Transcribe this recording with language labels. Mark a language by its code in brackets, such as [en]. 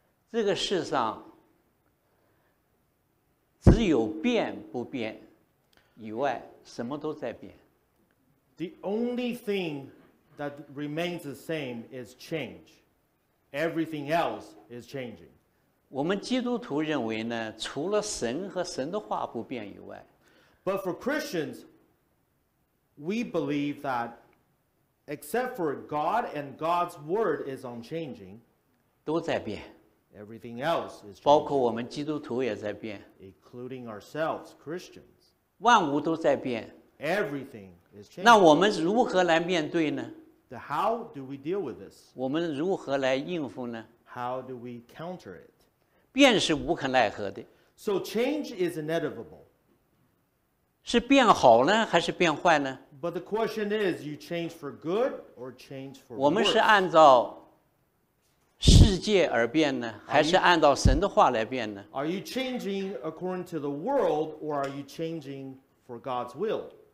[zh] 这个世上只有变不变以外，什么都在变。 [en] The only thing that remains the same is change. Everything else is changing. [zh] 我们基督徒认为呢，除了神和神的话不变以外。 [en] But for Christians, we believe that except for God and God's word is unchanging. [zh] 都在变。 [en] Everything else is changing. [zh] 包括我们基督徒也在变。 [en] Including ourselves, Christians. [zh] 万物都在变。 [en] Everything is changing. [zh] 那我们如何来面对呢？ [en] The how do we deal with this? [zh] 我们如何来应付呢？ [en] How do we counter it? [zh] 变是无可奈何的。 [en] So change is inevitable. [zh] 是变好呢，还是变坏呢？ [en] But the question is, you change for good or change for worse? [zh] 我们是按照世界而变呢，还是按照神的话来变呢？ [en] Are you changing according to the world, or are you changing for God's will?